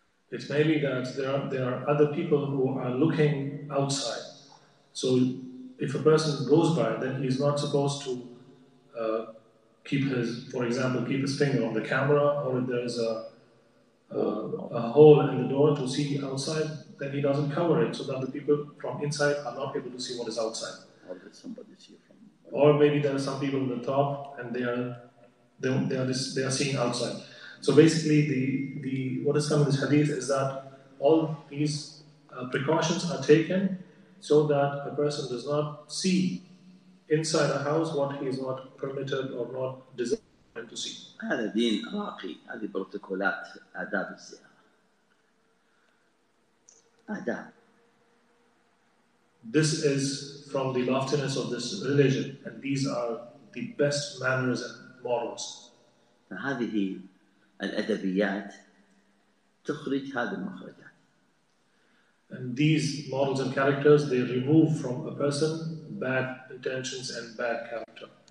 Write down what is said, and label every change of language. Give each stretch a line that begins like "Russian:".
English: It may be that there are other people who are looking outside. So if a person goes by, then he is not supposed to keep his finger on the camera, or if there is a hole in the door to see outside, then he doesn't cover it so that the people from inside are not able to see what is outside. Or did somebody see from? Or maybe there are some people on the top and they are seeing outside. So basically, the what has come in this hadith is that all these precautions are taken so that a person does not see inside a house what he is not permitted or not designed to see.
Arabic: هذا دين راقي هذه بروتوكولات آداب الزيارة آداب.
English: This is from the loftiness of this religion, and these are the best manners and morals.
Arabic: فهذه الأدبيات تخرج هذه المخرجات.
English: And these models and characters they remove from a person bad intentions and bad character.